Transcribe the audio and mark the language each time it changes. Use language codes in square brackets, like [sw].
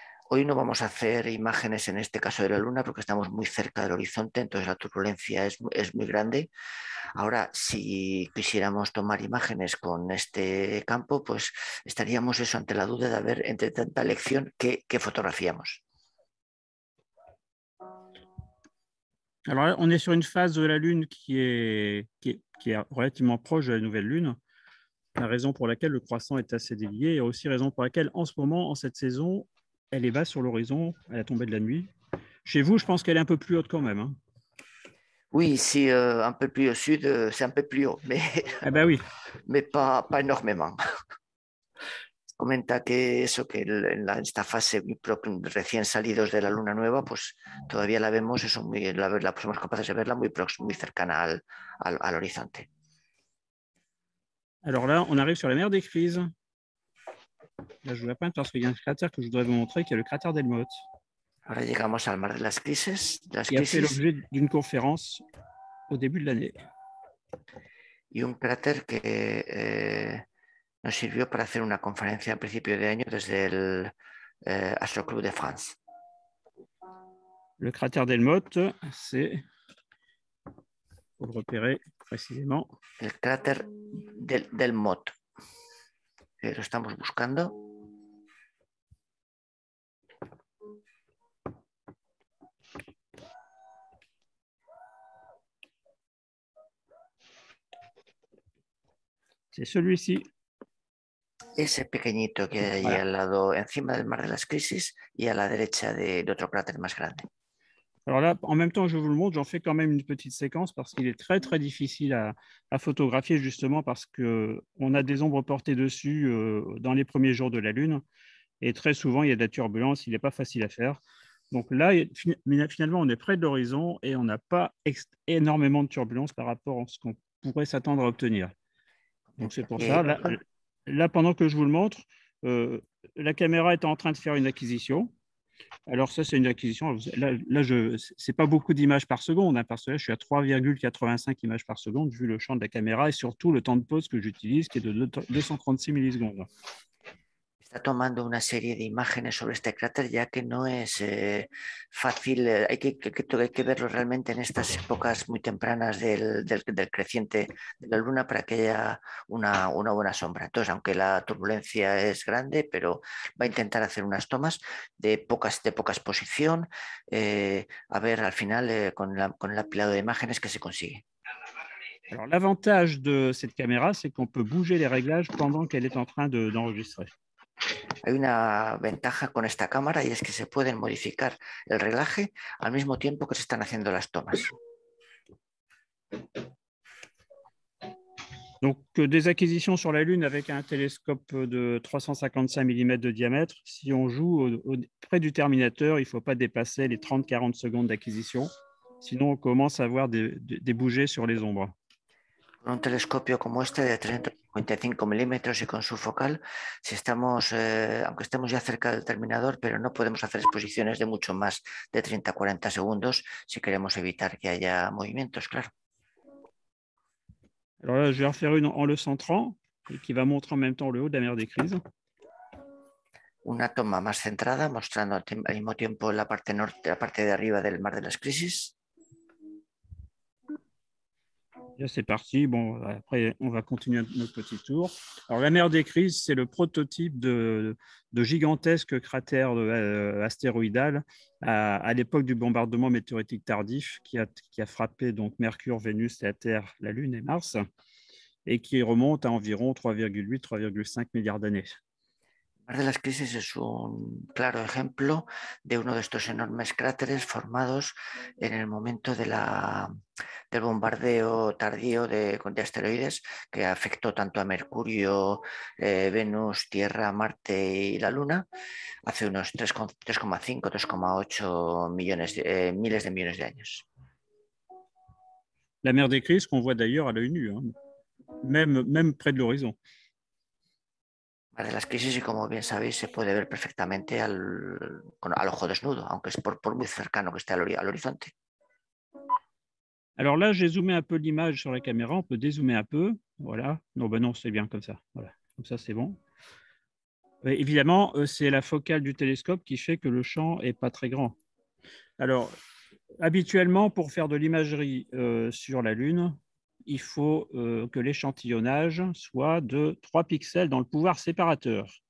[es] Hoy no vamos a hacer imágenes en este caso de la Luna porque estamos muy cerca del horizonte, entonces la turbulencia es muy grande. Ahora, si quisiéramos tomar imágenes con este campo, pues estaríamos eso ante la duda de ver entre tanta lección qué fotografiamos. [fr] Alors là, on est sur une phase de la Lune qui est relativement proche de la nouvelle Lune. la raison pour laquelle le croissant est assez délié, et aussi raison pour laquelle, en ce moment, en cette saison, elle est basse sur l'horizon, à la tombée de la nuit. Chez vous, je pense qu'elle est un peu plus haute quand même. Hein. Oui, c'est un peu plus au sud, c'est un peu plus haut, mais, eh ben oui. Mais pas énormément. [es] Comenta que eso, que en esta fase recién salidos de la luna nueva, pues todavía la vemos, eso muy, la somos capaces de verla muy próxima, muy cercana al horizonte. [fr] Alors là, on arrive sur la mer des crises. Là, je vous la peinte parce qu'il y a un cratère que je voudrais vous montrer, qui est le cratère Delmotte. [es] Ahora llegamos al mar de las crisis. [fr] Il a fait l'objet d'une conférence au début de l'année. [es] Y un cráter que nos sirvió para hacer una conferencia a principio de año desde el Astro Club de France. [fr] Le cratère Delmotte, c'est, pour le repérer précisément, [es] el cráter Delmotte. Que lo estamos buscando. [fr] C'est celui-ci. [es] Ese pequeñito que hay ahí al lado, encima del mar de las crisis, y a la derecha de otro cráter más grande. [fr] Alors là, en même temps, je vous le montre, j'en fais quand même une petite séquence parce qu'il est très très difficile à photographier, justement parce qu'on a des ombres portées dessus dans les premiers jours de la Lune, et très souvent il y a de la turbulence, il n'est pas facile à faire. Donc là, finalement, on est près de l'horizon et on n'a pas énormément de turbulence par rapport à ce qu'on pourrait s'attendre à obtenir. Donc c'est pour ça, là pendant que je vous le montre, la caméra est en train de faire une acquisition. Alors ça, c'est une acquisition, là ce n'est pas beaucoup d'images par seconde, hein, parce que là, je suis à 3,85 images par seconde, vu le champ de la caméra, et surtout le temps de pause que j'utilise, qui est de 236 millisecondes. [es] Está tomando una serie de imágenes sobre este cráter, ya que no es fácil, hay que verlo realmente en estas épocas muy tempranas del creciente de la Luna para que haya una buena sombra. Entonces, aunque la turbulencia es grande, pero va a intentar hacer unas tomas de poca exposición, a ver al final con el apilado de imágenes que se consigue. [fr] Alors, l'avantage de cette caméra, c'est qu'on peut bouger les réglages pendant qu'elle est en train d'enregistrer. [es] Hay una ventaja con esta cámara y es que se pueden modificar el reglaje al mismo tiempo que se están haciendo las tomas. [fr] Donc des acquisitions sur la Lune avec un télescope de 355 mm de diamètre. Si on joue près du terminateur, il ne faut pas dépasser les 30-40 secondes d'acquisition. Sinon, on commence à voir des bougies sur les ombres. [es] Un telescopio como este de 355 milímetros y con su focal, si estamos, aunque estemos ya cerca del terminador, pero no podemos hacer exposiciones de mucho más de 30-40 segundos si queremos evitar que haya movimientos, claro. [fr] Alors là, je vais refaire une en le centrant et qui va montrer en même temps le haut de la mer des crises. [es] Una toma más centrada, mostrando al mismo tiempo la parte norte, la parte de arriba del mar de las crisis. [fr] Là, c'est parti. Bon, après, on va continuer notre petit tour. Alors, la mer des crises, c'est le prototype de gigantesque cratère astéroïdal à l'époque du bombardement météoritique tardif qui a frappé donc Mercure, Vénus, la Terre, la Lune et Mars, et qui remonte à environ 3,8-3,5 milliards d'années. La mer [es] de las crisis es un claro ejemplo de uno de estos enormes cráteres formados en el momento del bombardeo tardío de asteroides que afectó tanto a Mercurio, Venus, Tierra, Marte y la Luna hace unos 3,5-3,8 millones de años. [fr] La mer de crisis, qu'on voit d'ailleurs à l'œil nu, hein, même près de l'horizon. [es] De las crisis y como bien sabéis se puede ver perfectamente al ojo desnudo, aunque es por muy cercano que esté al horizonte. [fr] Alors là, j'ai zoomé un peu l'image sur la caméra, on peut dézoomer un peu, voilà. Non, ben non, c'est bien comme ça, voilà. Comme ça, c'est bon. Mais évidemment, c'est la focale du télescope qui fait que le champ n'est pas très grand. Alors, habituellement, pour faire de l'imagerie sur la Lune, il faut que l'échantillonnage soit de 3 pixels dans le pouvoir séparateur.